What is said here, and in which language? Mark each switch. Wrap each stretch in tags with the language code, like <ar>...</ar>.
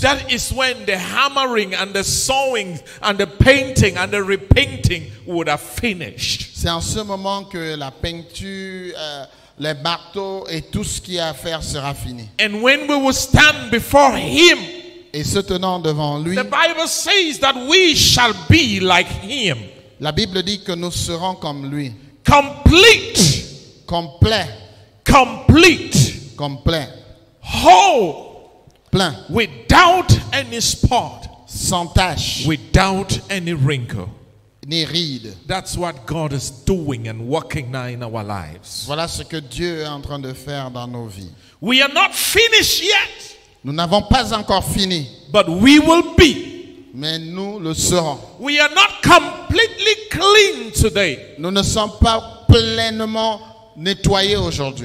<en>that is when the hammering and the sawing and the painting and the repainting would have finished.</en> <fr>C'est en ce moment que la peinture, les marteaux et tout ce qui a à faire sera fini.</fr> <en>And when we will stand before him,</en> <fr>et se tenant devant lui,</fr> <en>the Bible says that we shall be like him.</en> <fr>La Bible dit que nous serons comme lui.</fr> <en>Complete.</en> <fr>Complet.</fr> <en>Complete.</en> <fr>Complet.</fr> <en>Whole.</en> <fr>Plein.</fr> <en>Without any spot.</en> <fr>Sans tache.</fr> <en>Without any wrinkle.</en> <fr>Ni ride.</fr> <en>That's what God is doing and working now in our lives.</en> <fr>Voilà ce que Dieu est en train de faire dans nos vies.</fr> <en>We are not finished yet.</en> <fr>Nous n'avons pas encore fini.</fr> <en>But we will be.</en> <fr>Mais nous le serons.</fr> <en>We are not completely clean today.</en> <fr>Nous ne sommes pas pleinement nettoyés aujourd'hui.</fr>